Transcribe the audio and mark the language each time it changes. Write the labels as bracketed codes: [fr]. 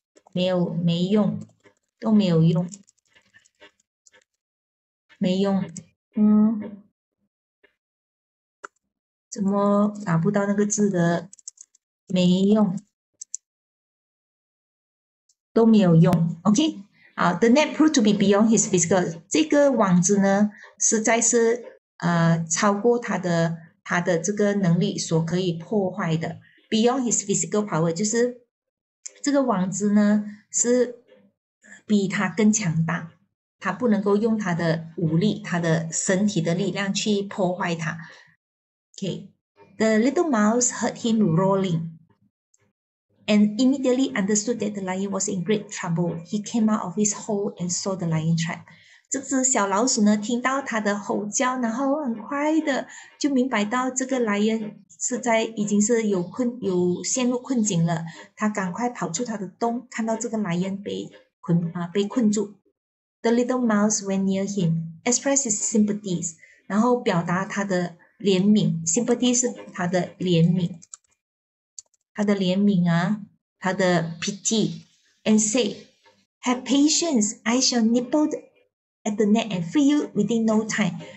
[zh] 没有, 没用, 都没有用, 没用, 嗯, 怎么打不到那个字的, 没用, 都没有用, OK? [en] The net proved to be beyond his physical. [zh] 这个网子呢, 实在是, 超过他的, 他的这个能力所可以破坏的。 [en] Beyond his physical power, [zh] 就是这个网子呢, 是比他更强大, 他不能够用他的武力, 他的身体的力量去破坏他。Okay. [en] The little mouse heard him roaring and immediately understood that the lion was in great trouble. He came out of his hole and saw the lion trap. [zh] 这只小老鼠呢, 听到它的吼叫, 然后很快的就明白到这个 lion 是在已经是有困, 有陷入困境了, 它赶快跑出它的洞, 看到这个 lion 被困, 被困住。 [en] The little mouse went near him, expressed his sympathies, [zh] 然后表达它的怜悯, [en] sympathy [zh] 是它的怜悯, 它的怜悯啊, 他的 [en] pity, and say, have patience, I shall nibble at the net and free you within no time.